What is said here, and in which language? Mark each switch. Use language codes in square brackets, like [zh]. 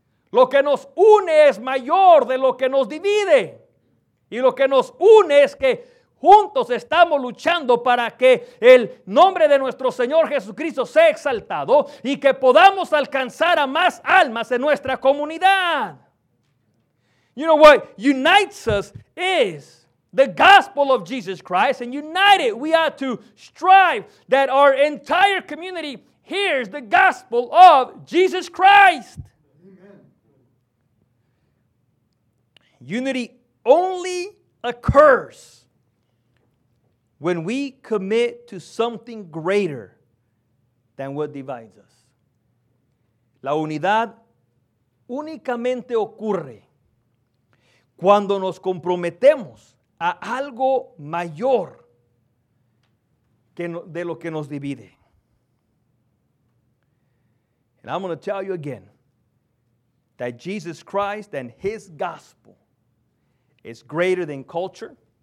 [es] Lo que nos une es mayor de lo que nos divide, y lo que nos une es que juntos estamos luchando para que el nombre de nuestro Señor Jesucristo sea exaltado y que podamos alcanzar a más almas en nuestra comunidad. [en] You know what unites us is the gospel of Jesus Christ, and united we are to strive that our entire community hears the gospel of Jesus Christ. Amen. Unity only occurs when we commit to something greater than what divides us. [es] La unidad únicamente ocurre cuando nos comprometemos a algo mayor que de lo que nos divide. [en] And I'm going to tell you again that Jesus Christ and His gospel is greater than culture.